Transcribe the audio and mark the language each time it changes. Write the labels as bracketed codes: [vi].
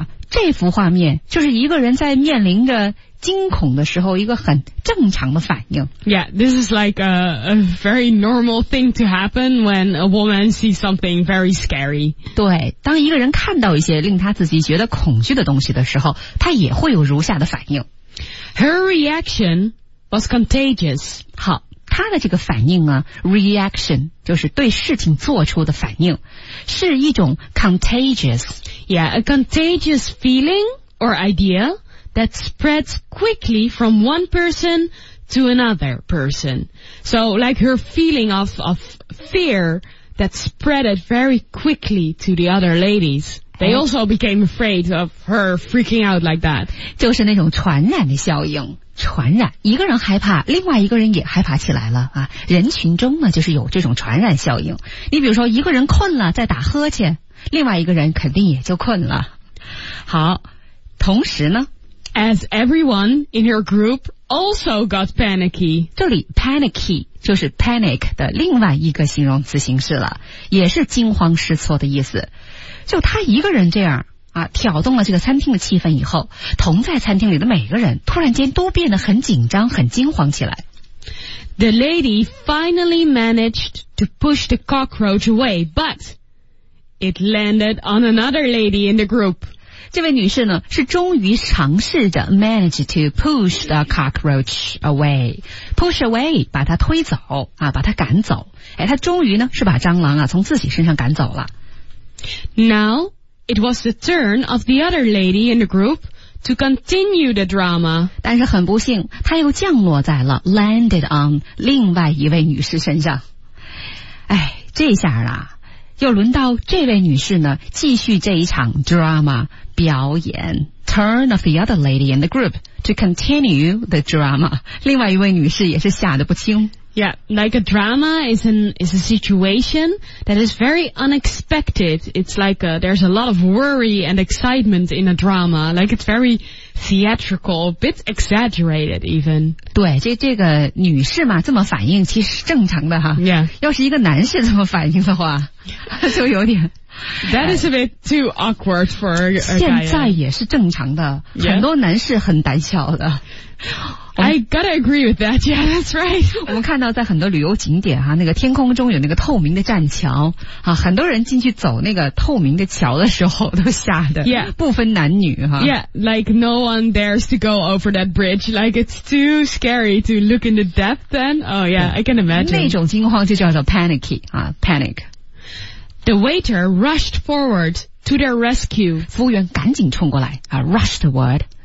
[zh] 这幅画面就是一个人在面临着惊恐的时候一个很正常的反应。 [en] Yeah, this is like a very normal thing to happen when a woman sees something very scary. [zh] 对，当一个人看到一些令他自己觉得恐惧的东西的时候，他也会有如下的反应。 [en] Her reaction was contagious. [zh] 好，他的这个反应啊 reaction 就是对事情做出的反应，是一种 contagious. [en] Yeah, a contagious feeling or idea that spreads quickly from one person to another person. So like her feeling of fear that spreaded very quickly to the other ladies. They also became afraid of her freaking out like that. [zh] 就是那种传染的效应。传染，一个人害怕，另外一个人也害怕起来了啊！人群中呢，就是有这种传染效应。你比如说，一个人困了，在打呵欠，另外一个人肯定也就困了。好，同时呢 [en] ，As everyone in your group also got panicky， [zh] 这里 panicky 就是 panic 的另外一个形容词形式了，也是惊慌失措的意思。就他一个人这样。啊，挑动了这个餐厅的气氛以后，同在餐厅里的每个人突然间都变得很紧张，很惊慌起来。 [en] The lady finally managed to push the cockroach away, but it landed on another lady in the group. [zh] 这位女士呢，是终于尝试着 [en] manage to push the cockroach away. Push away, [zh] 把它推走，啊，把它赶走。哎，她终于呢，是把蟑螂啊，从自己身上赶走了。 [en] Now,It was the turn of the other lady in the group to continue the drama. [zh] 但是很不幸，她又降落在了 [en] landed on [zh] 另外一位女士身上。哎，这下啊，又轮到这位女士呢，继续这一场 drama 表演。 [en] Turn of the other lady in the group to continue the drama. [zh] 另外一位女士也是吓得不轻。 [en] Yeah, like a drama is a situation that is very unexpected. It's like there's a lot of worry and excitement in a drama. Like it's very theatrical, a bit exaggerated even. [zh] 对，这个女士嘛，这么反应其实是正常的哈。 [en] Yeah. [zh] 要是一个男士这么反应的话，就有点。 [en] That is a bit too awkward for a guy. [zh] 现在也是正常的。 [en] Yeah. [zh] 很多男士很胆小的。 [en] I gotta agree with that. Yeah, that's right. [zh] 我们看到在很多旅游景点啊，那个天空中有那个透明的栈桥啊，很多人进去走那个透明的桥的时候都吓得， [en] yeah. [zh] 不分男女哈。 [en] Yeah, like no one dares to go over that bridge. Like it's too scary to look in the depth. Then, oh yeah, I can imagine. [zh] 那种惊慌就叫做 panicky 啊 ，panic. [en] The waiter rushed forward to their rescue. [zh] 服务员赶紧冲过来啊 ， [en] rushed forward.